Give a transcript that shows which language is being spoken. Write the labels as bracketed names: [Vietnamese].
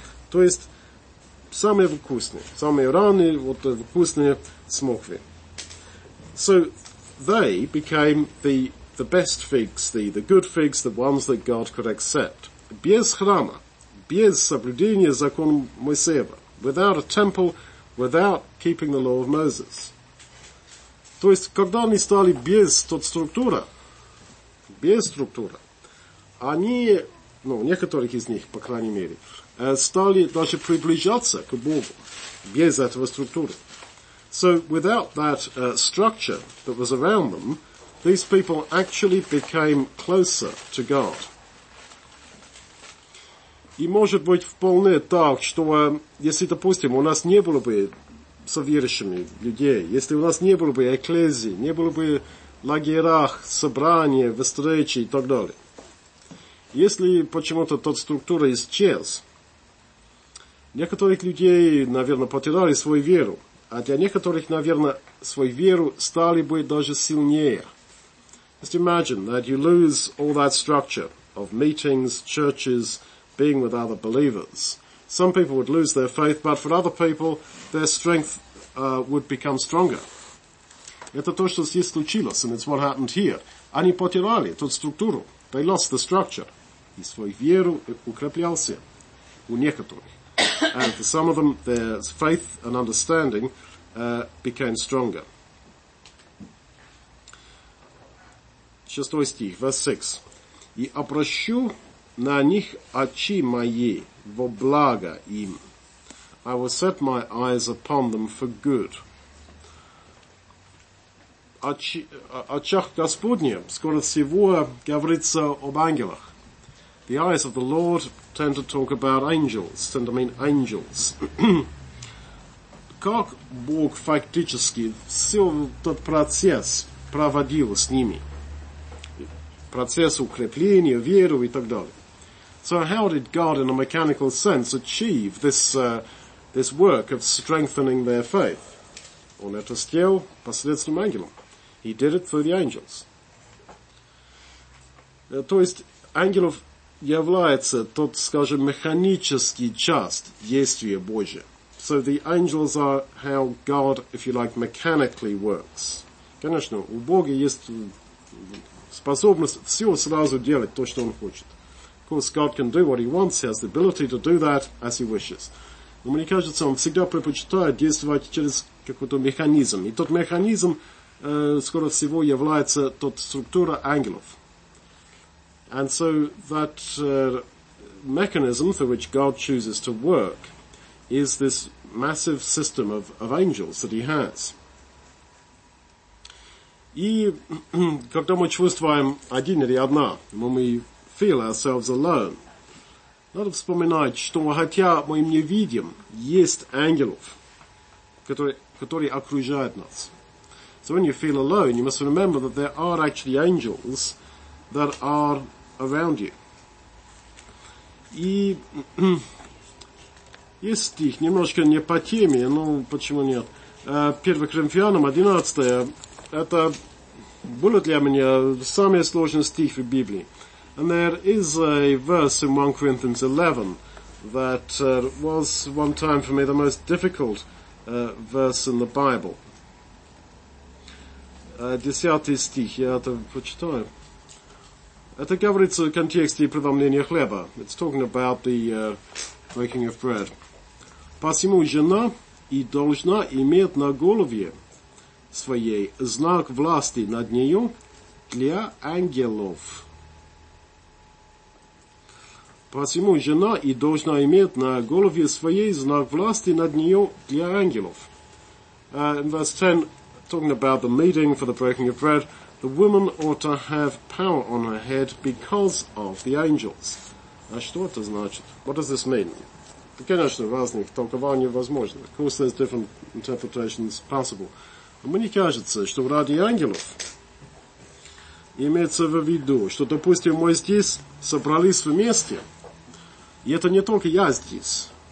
[Russian] То есть самые вкусные, самые ранние вот вкусные смокви. [English] So they became the best figs, the good figs, the ones that God could accept. [Russian] Без храма, без соблюдения закона Моисеева, [English] without a temple, without keeping the law of Moses. [Russian] То есть, когда они стали без структуры, они, ну, некоторых из них, по крайней мере, стали даже приближаться к Богу без этого структуры. [English] So without that structure that was around them, these people actually became closer to God. [Russian] И может быть вполне так, что если, допустим, у нас не было бы соверующими людей, если у нас не было бы экклезии, не было бы лагерях, собраний, встреч и так далее, если почему-то тот структура исчез, некоторых людей, наверное, потеряли свою веру, а для некоторых, наверное, свою веру стали бы даже сильнее. [English] Just imagine that you lose all that structure of meetings, churches, being with other believers. Some people would lose their faith, but for other people, their strength would become stronger. [Russian] Это то, что здесь случилось, [English] and it's what happened here. [Russian] Они потеряли ту структуру. [English] They lost the structure. [Russian] И свою веру укреплялся у некоторых. [English] And for some of them, their faith and understanding became stronger. [Russian] Шестой стих, [English] verse 6. [Russian] «И обращу на них очи мои во благо им». [English] I will set my eyes upon them for good. [Russian] Очах Господня, скоро всего, говорится об ангелах. [English] The eyes of the Lord tend to talk about angels, tend to mean angels. [Russian] Как Бог фактически все тот процесс проводил с ними? Процесс укрепления, веру и так далее. [English] So how did God, in a mechanical sense, achieve this this work of strengthening their faith? [Russian] Он это сделал посредством ангелов. [English] He did it through the angels. [Russian] То есть ангелов является тот, скажем, механический часть действия Божия. [English] So the angels are how God, if you like, mechanically works. [Russian] Конечно, у Бога есть способность все сразу делать то, что Он хочет. [English] Of course, God can do what He wants. He has the ability to do that as He wishes. [Russian] Но мне кажется, Он всегда предпочитает действовать через какой-то механизм. И тот механизм, скоро всего, является тот структура ангелов. [English] And so that mechanism through which God chooses to work is this massive system of angels that He has. [Russian] И когда мы чувствуем один или одна, [English] when we feel ourselves alone, [Russian] надо вспоминать, что хотя мы не видим, есть ангелов, которые окружают нас. [English] So when you feel alone, you must remember that there are actually angels that are around you. [Russian] И есть стих, немножко не по теме, но почему нет. 1 Коринфянам 11, это был для меня самый сложный стих в Библии. [English] And there is a verse in 1 Corinthians 11 that was one time for me the most difficult verse in the Bible. [Russian] Десятый стих, я это прочитаю. Это говорится в контексте преломления хлеба. [English] It's talking about the breaking of bread. [Russian] Посему жена и должна иметь на голове своей знак власти над нею для ангелов. Посему жена и должна иметь на голове своей знак власти над нее для ангелов. [English] In verse 10, talking about the meeting for the breaking of bread, the woman ought to have power on her head because of the angels. [Russian] А что это значит? [English] What does this mean? [Russian] Конечно, разных толкований возможно. [English] Of course, there's different interpretations possible. [Russian] Но мне кажется, что ради ангелов имеется в виду, что, допустим, мы здесь собрались вместе, и это не только я здесь.